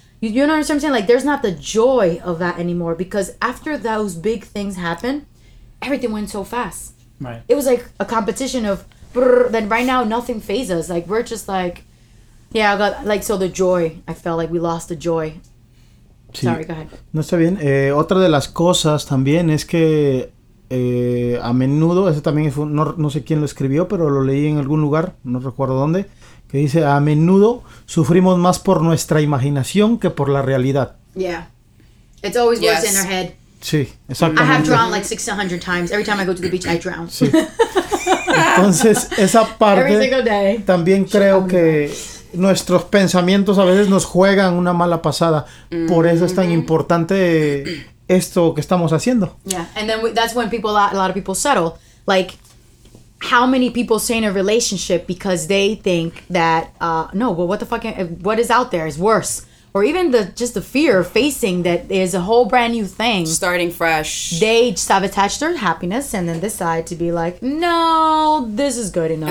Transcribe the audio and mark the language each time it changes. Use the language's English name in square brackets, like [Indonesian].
[English] You know what I'm saying? Like, there's not the joy of that anymore because after those big things happen, everything went so fast. Right. It was like a competition of, brrr, then right now nothing fazes us. Like, we're just like, yeah, I got, like, so the joy, I felt like we lost the joy. [Spanish] Sí. [English] Sorry, go ahead. [Spanish] No está bien. Otra de las cosas también es que a menudo, ese también fue, no sé quién lo escribió, pero lo leí en algún lugar, no recuerdo dónde, que dice, a menudo sufrimos más por nuestra imaginación que por la realidad. [English] Yeah. It's always worse in our head. [Spanish] Sí, exactamente. [English] I have drowned like 600 times. Every time I go to the beach, I drown. [Spanish] Sí. Entonces, esa parte también creo que nuestros pensamientos a veces nos juegan una mala pasada. Mm-hmm. Por eso es tan importante esto que estamos haciendo. [English] Yeah, and then that's when people, a lot of people settle. Like, how many people stay in a relationship because they think that, no, well, what the fuck, what is out there is worse. or even the just the fear of facing that is a whole brand new thing. Starting fresh. They sabotage their happiness and then decide to be like, no, this is good enough.